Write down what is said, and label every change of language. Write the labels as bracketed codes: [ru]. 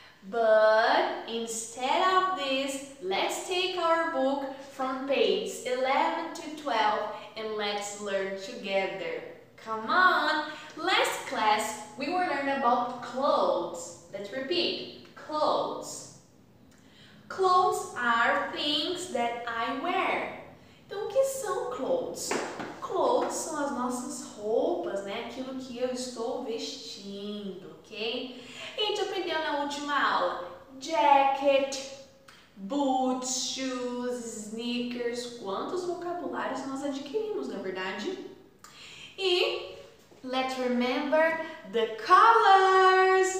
[en] But instead of this, let's take our book from page 11 to 12 and let's learn together. Come on! Last class, we were learning about clothes. Let's repeat. Clothes. Clothes are things that I wear. [pt] Então, o que são clothes? Clothes são as nossas roupas, né? Aquilo que eu estou vestindo, ok? E a gente aprendeu na última aula. [en] Jacket, boots, shoes, sneakers. [pt] Quantos vocabulários nós adquirimos, não é verdade? [en] E let's remember the colors.